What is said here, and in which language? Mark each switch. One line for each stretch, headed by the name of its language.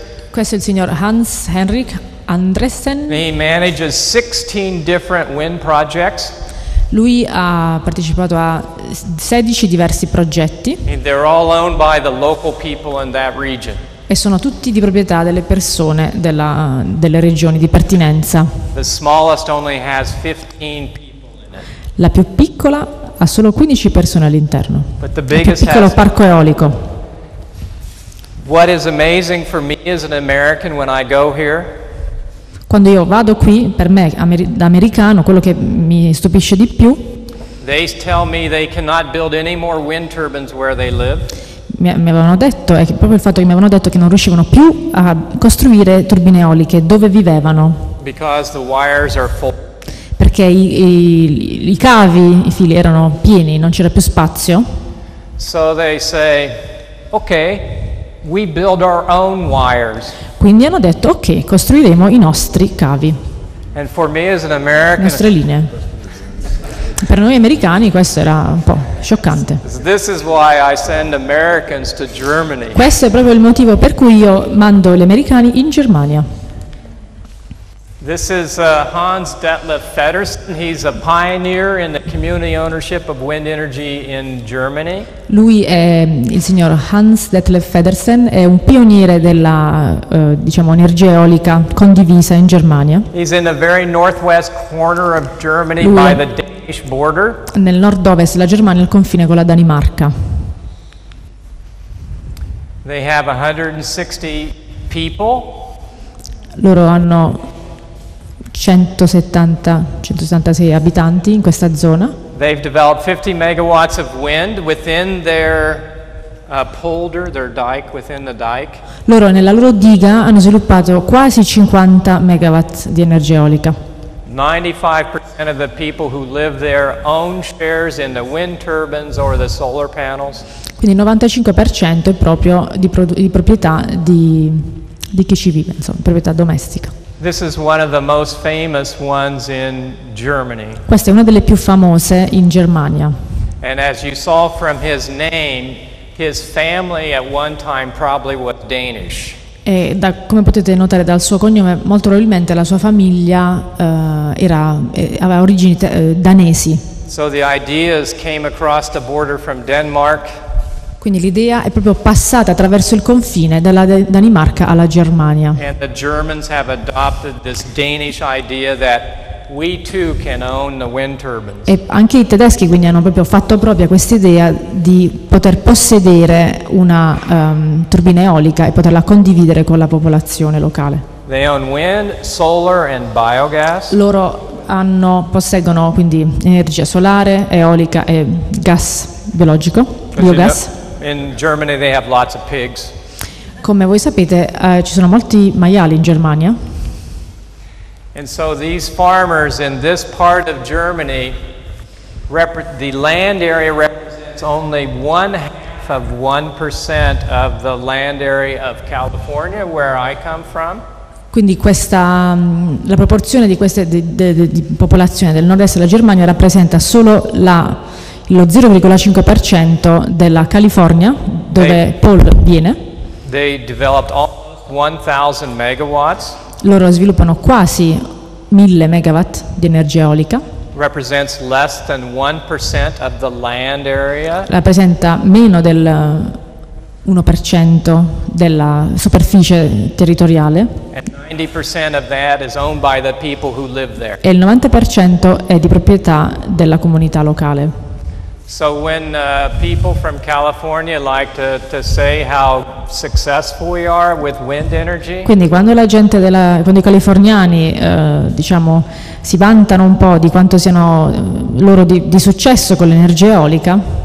Italian: Questo è il signor Hans Heinrich Andreessen.
English: He manages 16 different wind projects.
Italian: Lui ha partecipato a 16 diversi progetti.
English: And they're all owned by the local people in that region.
Italian: E sono tutti di proprietà delle persone delle regioni di pertinenza.
English: The smallest only has 15 people in it.
Italian: La più piccola ha solo 15 persone all'interno.
English: But the biggest
Italian: il più piccolo parco eolico.
English: What is amazing for me as an American when I go here?
Italian: Quando io vado qui, per me da americano, quello che mi stupisce di più.
English: They tell me they cannot build any more wind turbines where they live.
Italian: Mi avevano detto, è proprio il fatto che mi avevano detto che non riuscivano più a costruire turbine eoliche dove vivevano.
English: Because the wires are full.
Italian: Perché i cavi, i fili erano pieni, non c'era più spazio.
English: So they say, okay. We build our own wires.
Italian: Quindi hanno detto ok, costruiremo i nostri cavi.
English: And for me as an American,
Italian: nostre linee. Per noi americani questo era un po' scioccante.
English: This is why I send Americans to Germany.
Italian: Questo è proprio il motivo per cui io mando gli americani in Germania.
English: This is Hans Detlef Feddersen. He's a pioneer in the community ownership of wind energy in Germany.
Italian: Lui è il signor Hans Detlef Feddersen, è un pioniere della diciamo energia eolica condivisa in Germania.
English: He's in the very northwest corner of Germany by the Danish border.
Italian: Nel nord-ovest la Germania, al confine con la Danimarca.
English: They have 160 people.
Italian: Loro hanno 176 abitanti in questa zona.
English: They've developed 50 megawatts of wind within their polder, their dike, within the dike.
Italian: Loro nella loro diga hanno sviluppato quasi 50 megawatt di energia eolica.
English: 95% of the people who live there own shares in the wind turbines or the solar panels.
Italian: Quindi il 95% è proprio di proprietà di di chi ci vive, insomma, proprietà domestica.
English: This is one of the most famous ones in Germany.
Italian: Questa è una delle più famose in Germania.
English: And as you saw from his name, his family at one time probably was Danish.
Italian: E da, come potete notare dal suo cognome, molto probabilmente la sua famiglia aveva origini danesi.
English: So the ideas came across the border from Denmark.
Italian: Quindi l'idea è proprio passata attraverso il confine dalla Danimarca alla Germania.
English: And the Germans have adopted this Danish idea that we too can own the wind turbines.
Italian: E anche i tedeschi quindi hanno proprio fatto propria questa idea di poter possedere una turbina eolica e poterla condividere con la popolazione locale.
English: They own wind, solar and biogas.
Italian: Loro hanno, posseggono quindi energia solare, eolica e gas biologico, biogas.
English: In Germany they have lots of pigs.
Italian: Come voi sapete, ci sono molti maiali in Germania.
English: And so these farmers in this part of Germany, the land area represents only 0.5% of the land area of California, where I come from.
Italian: Quindi questa la proporzione di queste di popolazione del nord-est della Germania rappresenta solo lo 0,5% della California, dove Paul viene.
English: They developed almost 1,000 megawatts.
Italian: Loro sviluppano quasi 1000 megawatt di energia eolica.
English: Represents less than 1% of the land area.
Italian: Rappresenta meno del 1% della superficie territoriale.
English: And 90% of that is owned by the people who live there.
Italian: E il 90% è di proprietà della comunità locale.
English: So when people from California like to say how successful we are with wind energy.
Italian: Quindi quando la gente quando i californiani diciamo si vantano un po' di quanto siano loro di successo con l'energia eolica.